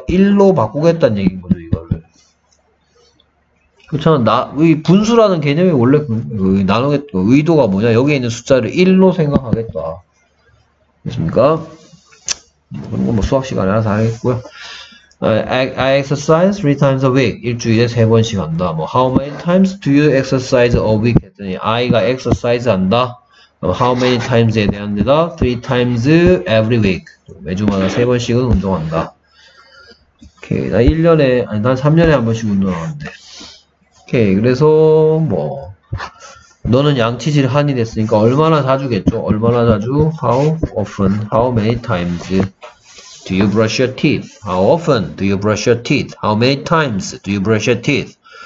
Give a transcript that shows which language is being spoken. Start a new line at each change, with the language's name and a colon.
Korean: 1로 바꾸겠다는 얘기인 거죠. 그렇잖아. 이 분수라는 개념이 원래 의도가 뭐냐? 여기에 있는 숫자를 1로 생각하겠다. 됐습니까? 그런 거뭐 수학 시간에 알아서 하겠고요.
English: I exercise 3 times a week.
Korean: 일주일에 3번씩 한다.
English: 뭐 how many times do you exercise a week?
Korean: 했더니
English: I가 exercise 한다. How many times에 대한 대답 3 times every week.
Korean: 매주마다 3번씩은 운동한다. 오케이. 나 1년에 아니 난 3년에 한 번씩 운동하는데. 오케이. 그래서 뭐 너는 양치질 한이 됐으니까 얼마나 자주겠죠? 얼마나 자주?
English: How often? How many times do you brush your teeth? How often do you brush your teeth? How many times do you brush your teeth?